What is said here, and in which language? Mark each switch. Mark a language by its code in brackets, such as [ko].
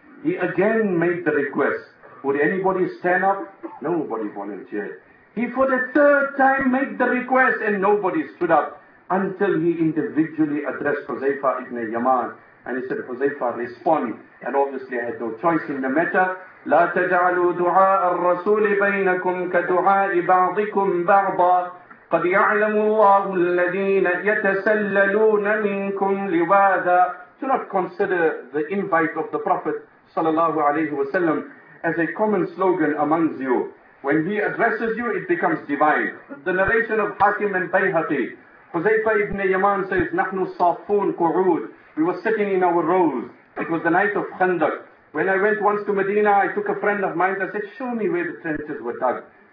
[en] He again made the request. Would anybody stand up? Nobody volunteered. He for the third time made the request and nobody stood up until he individually addressed Huzaifa ibn Yaman and he said, Huzaifa, respond. And obviously I had no choice in the matter. [ar] لا تجعلوا دعاء الرسول بينكم كدعاء بعضكم بعضا قد يعلم الله الذين يتسللون منكم لواذا. [en] Do not consider the invite of the Prophet sallallahu alayhi wa sallam as a common slogan amongst you. When he addresses you, it becomes divine. The narration of Hakim and Bayhaqi, Huzaifa ibn Yaman says, [ar] نَحْنُ صَافُونَ قُعُودٍ. [en] We were sitting in our rows. It was the night of Khandaq. When I went once to Medina, I took a friend of mine. I said, show me where the trenches were dug.